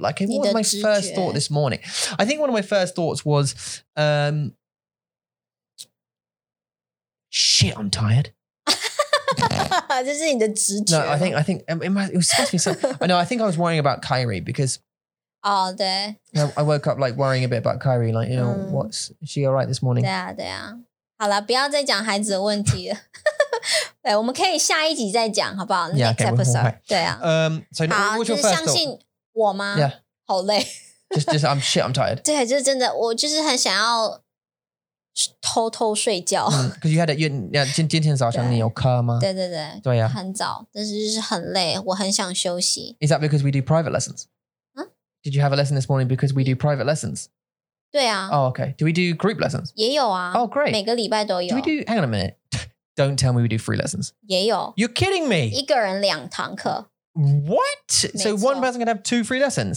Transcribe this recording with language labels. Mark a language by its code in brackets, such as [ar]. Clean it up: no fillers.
[en] Like, hey, what was my first thought this morning? I think one of my first thoughts was, shit, I'm tired. [zh] 这是你的直觉。 [en] No, I think it was supposed to be so... I know, I think I was worrying about Kyrie because... [zh] Oh, 对。 [en] I woke up like worrying a bit about Kyrie, like, you know,、what's... Is she all right this morning? [zh] 对啊，对啊。好啦，不要再讲孩子的问题了。对，我们可以下一集再讲，好不好 [en] yeah, okay, ？Next episode， we'll [zh] 对啊。 [en] So [zh] 好，就是相信我吗 [en] ？Yeah， [zh] 好累。 [en] Just I'm shit, I'm tired。 [zh] 对，就是真的，我就是很想要偷偷睡觉。 [en] Because you had a [zh] 今天早上你有课吗？对对对，对呀、啊，很早，但是就是很累，我很想休息。 [en] Is that because we do private lessons？ Did you have a lesson this morning because we do private lessons？ [zh] 对啊。 [en] Oh, okay. Do we do group lessons？ [zh] 也有啊。 [en] Oh, great. [zh] 每个礼拜都有。 [en] Do we do? Hang on a minute. Don't tell me we do free lessons. [zh] 也有。 [en] You're kidding me. [zh] 一个人两堂课。 [en] What? So one person can have two free lessons?